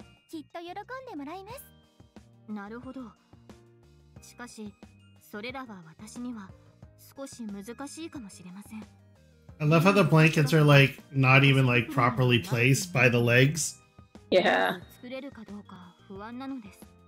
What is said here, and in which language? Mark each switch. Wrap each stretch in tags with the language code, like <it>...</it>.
<ja>きっと喜んでもらいます。なるほど。しかし、 それらは私には少し難しいかもしれません。</ja> <en>I love how the blankets are like not even like properly placed by the legs. Yeah.</en> <ja>作れるかどうか不安なのです。</ja>